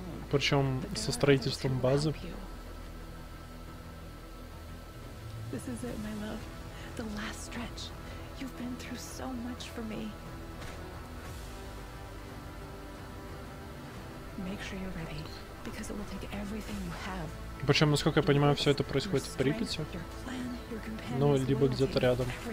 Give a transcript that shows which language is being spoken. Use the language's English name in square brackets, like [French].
[Russian] Причем со строительством базы. [English] This is it, my love. The last stretch. You've been through so much for me. Make sure you're ready, because it will take everything you have. [Russian] Причем, насколько я понимаю, все это происходит в Припяти. Ну, либо где-то рядом.